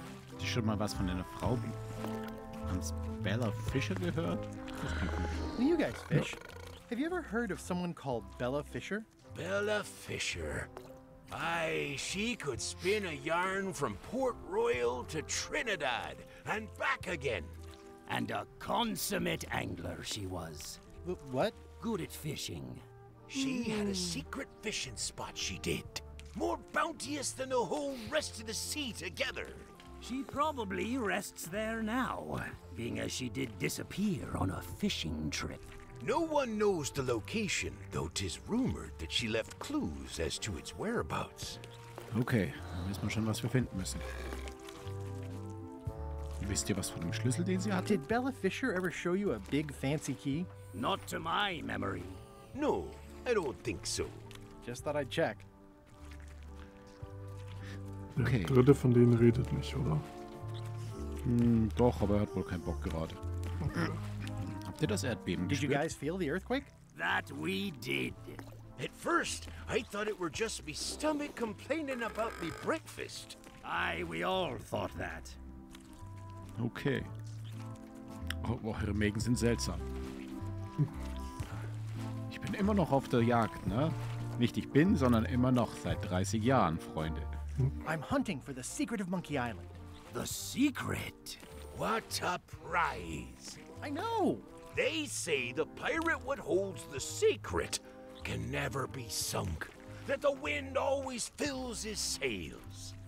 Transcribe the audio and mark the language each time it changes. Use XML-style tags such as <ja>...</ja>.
<de>Hast du schon mal was von einer Frau namens Bella Fisher gehört?</de> <en>Well, you guys fish. No. Have you ever heard of someone called Bella Fisher? Bella Fisher? Aye, she could spin a yarn from Port Royal to Trinidad and back again. And a consummate angler she was. What? Good at fishing. She had a secret fishing spot, she did. More bounteous than the whole rest of the sea together. She probably rests there now, being as she did disappear on a fishing trip. No one knows the location, though 'tis rumored that she left clues as to its whereabouts.</en> <de>Okay, dann wissen wir schon, was wir finden müssen. Wisst ihr was von dem Schlüssel, den sie hatte?</de> <en>Did Bella Fisher ever show you a big fancy key? Not to my memory. No, I don't think so. Just thought I'd check.</en> <de>Okay. Der Dritte von denen redet nicht, oder? Doch, aber er hat wohl keinen Bock gerade. Okay. Habt ihr das Erdbeben</de> <en>did</en> <de>gespürt?</de> <en>Did you guys feel the earthquake? That we did. At first, I thought it were just me stomach complaining about me breakfast. Aye, we all thought that.</en> <de>Okay. Oh, eure Mägen sind seltsam. Ich bin immer noch auf der Jagd, ne? Nicht ich bin, sondern immer noch seit 30 Jahren, Freunde.</de> <en>I'm hunting for the secret of Monkey Island. The secret? What a prize. I know. They say the pirate what holds the secret can never be sunk. That the wind always fills his sails.</en>